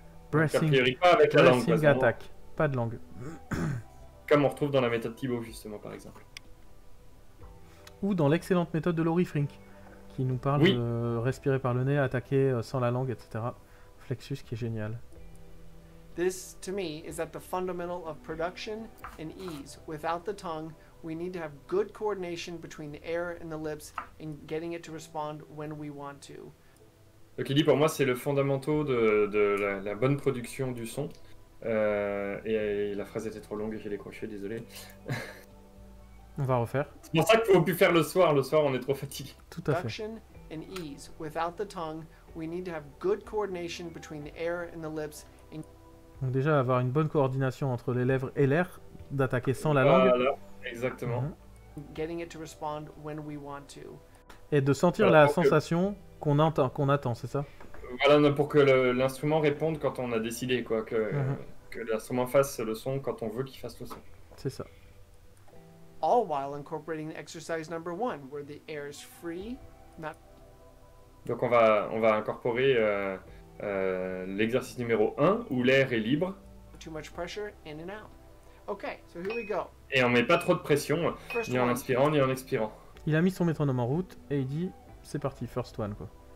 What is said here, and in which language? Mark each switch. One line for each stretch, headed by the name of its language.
French: Breathing. Donc, a priori, pas avec la langue.
English: Breathing attack.
French: Pas de langue. Comme on retrouve dans la méthode Thibaut, justement, par exemple. Ou dans l'excellente méthode de Laurie Frink, qui nous parle de respirer par le nez, attaquer sans la langue, etc. Flexus, qui est génial.
English: This, to me, is at the fundamental of production and ease. Without the tongue, we need to have good coordination between the air and the lips and getting it to respond when we want to.
French: Donc il dit, pour moi, c'est le fondamental de la bonne production du son. Et la phrase était trop longue et j'ai décroché, désolé. On va refaire. C'est pour ça qu'il faut plus faire le soir on est trop fatigué. Tout à fait.
English: Production and ease. Without the tongue, we need to have good coordination between the air and the lips. And...
French: Donc déjà avoir une bonne coordination entre les lèvres et l'air, d'attaquer sans la langue. Voilà, exactement.
English: Getting it to respond when we want to.
French: Et de sentir la sensation qu'on entend, qu'on attend, c'est ça? Voilà, pour que l'instrument réponde quand on a décidé, quoi, que l'instrument fasse le son quand on veut qu'il fasse le son. C'est ça.
English: All while incorporating exercise number one, where the air is free, not...
French: Donc on va incorporer l'exercice numéro 1, où l'air est libre.
English: Too much pressure, in and out. Okay, so here we go.
French: Et on met pas trop de pression, ni en inspirant, ni en expirant. Il a mis son métronome en route, et il dit, c'est parti,
English: first one,
French: quoi.